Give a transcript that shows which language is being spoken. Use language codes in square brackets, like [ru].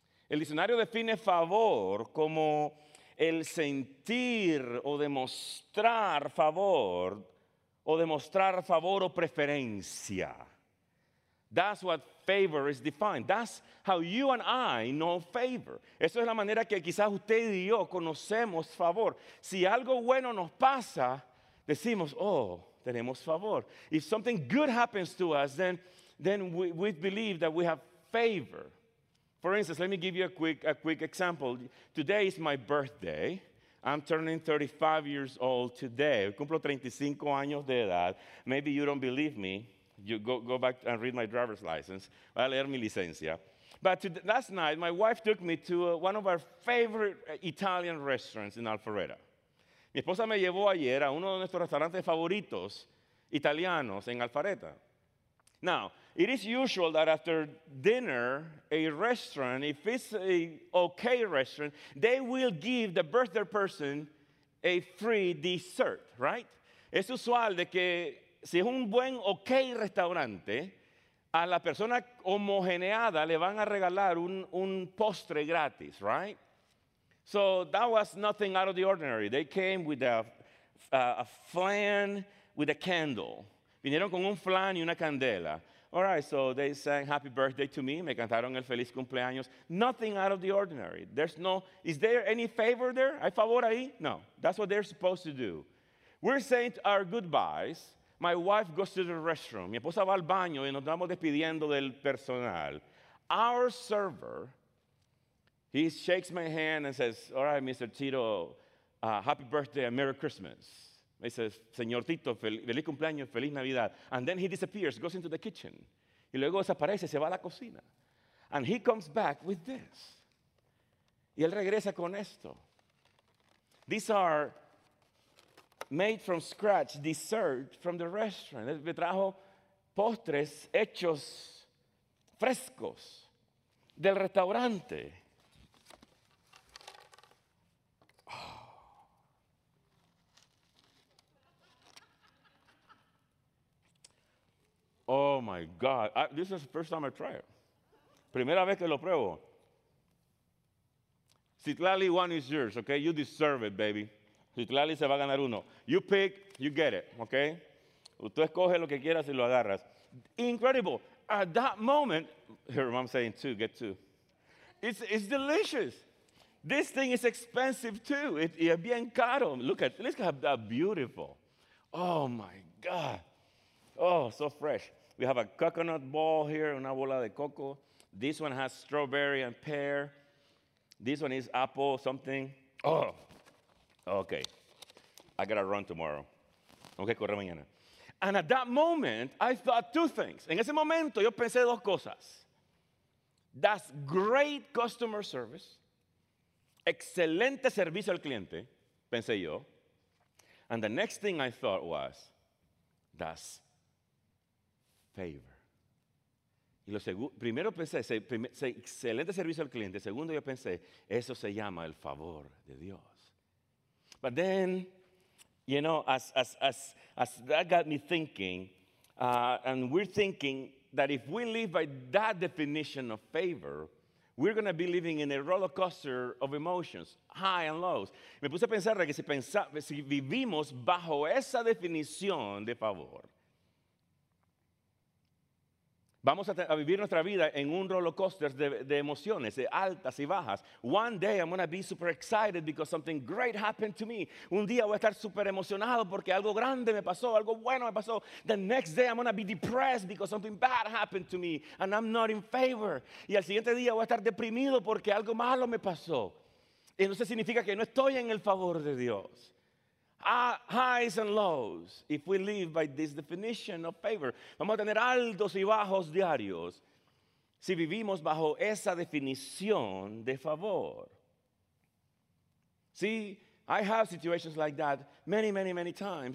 [es] El diccionario define favor como el sentir o demostrar favor o preferencia. [en] That's what favor is defined. That's how you and I know favor. [es] Eso es la manera que quizás usted y yo conocemos favor. Si algo bueno nos pasa, decimos, oh, tenemos favor. [en] If something good happens to us, then we believe that we have favor. For instance, let me give you a quick example. Today is my birthday. I'm turning 35 years old today. [es] Cumplo 35 años de edad. [en] Maybe you don't believe me. You go back and read my driver's license. [es] Voy a leer mi licencia. [en] But last night, my wife took me to one of our favorite Italian restaurants in Alpharetta. [es] Mi esposa me llevó ayer a uno de nuestros restaurantes favoritos italianos en Alpharetta. [en] Now, it is usual that after dinner, a restaurant, if it's a okay restaurant, they will give the birthday person a free dessert, right? [es] Es usual de que si es un buen okay restaurante, a la persona homogeneada le van a regalar un postre gratis, right? [en] So that was nothing out of the ordinary. They came with a flan with a candle. [es] Vinieron con un flan y una candela. [en] All right, so they sang happy birthday to me. [es] Me cantaron el feliz cumpleaños. [en] Nothing out of the ordinary. Is there any favor there? [es] ¿Hay favor ahí? [en] No, that's what they're supposed to do. We're saying our goodbyes. My wife goes to the restroom. [es] Mi esposa va al baño y nos estamos despidiendo del personal. [en] Our server, he shakes my hand and says, all right, Mr. Tito, happy birthday and Merry Christmas. He says, [es] Señor Tito, feliz cumpleaños, feliz Navidad. [en] And then he disappears, goes into the kitchen. [es] Y luego desaparece, se va a la cocina. [en] And he comes back with this. [es] Y él regresa con esto. [en] These are made from scratch, dessert from the restaurant. [es] Él me trajo postres hechos frescos del restaurante. [en] Oh my God, this is the first time I try it. [es] Primera vez que lo pruebo. [en] Citlali, one is yours, okay? You deserve it, baby. [es] Citlali se va a ganar uno. [en] You pick, you get it, okay? [es] Usted escoge lo que quieras y lo agarras. [en] Incredible. At that moment, here I'm saying two, get two. It's delicious. This thing is expensive too. It's [es] bien caro. [en] Look at that beautiful. Oh my God. Oh, so fresh. We have a coconut ball here, [es] una bola de coco. [en] This one has strawberry and pear. This one is apple something. Oh, okay. I gotta run tomorrow. [es] Tengo que correr mañana. [en] And at that moment, I thought two things. [es] En ese momento, yo pensé dos cosas. [en] That's great customer service. [es] Excelente servicio al cliente, pensé yo. [en] And the next thing I thought was, that's favor. [es] Y lo primero pensé, excelente servicio al cliente. Segundo, yo pensé, eso se llama el favor de Dios. [en] But then, you know, as that got me thinking, and we're thinking that if we live by that definition of favor, we're going to be living in a roller coaster of emotions, high and lows. [es] Me puse a pensar que si vivimos bajo esa definición de favor, vamos a vivir nuestra vida en un roller coaster de emociones, de altas y bajas. [en] One day I'm going to be super excited because something great happened to me. [es] Un día voy a estar super emocionado porque algo grande me pasó, algo bueno me pasó. [en] The next day I'm going to be depressed because something bad happened to me and I'm not in favor. [es] Y al siguiente día voy a estar deprimido porque algo malo me pasó. Y no significa que no estoy en el favor de Dios. [en] Highs and lows, if we live by this definition of favor. [es] Vamos a tener altos y bajos diarios si vivimos bajo esa definición de favor. [en] See, I have situations like that many, many, many times.